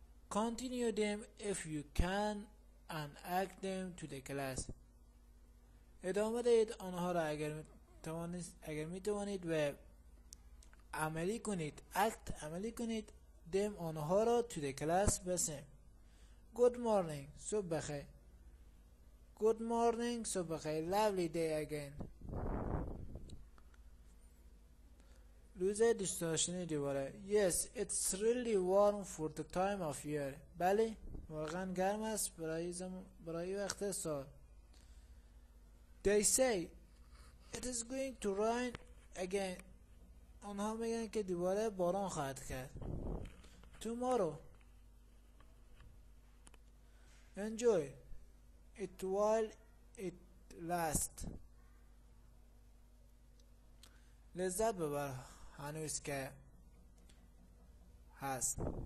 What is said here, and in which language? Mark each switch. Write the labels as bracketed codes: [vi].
[en] Continue them if you can and act them to the class. [fa] ادامه دهید آنها را اگر می توانید و عملی کنید. Act عملی کنید. دم آنها را تو ده کلاس بسیم. [en] Good morning. [fa] صبح بخیر. [en] Good morning. صبح بخیر. Lovely day again. [fa] روز دوست داشتنی دوباره. [en] Yes, it's really warm for the time of year. [fa] بله. واقعا گرم است برای وقت سال. [en] They say it is going to rain again. [fa] آنها میگن که دوباره باران خواهد کرد. [en] Tomorrow. Enjoy it while it lasts. [fa] لذت ببر هنوز که هست.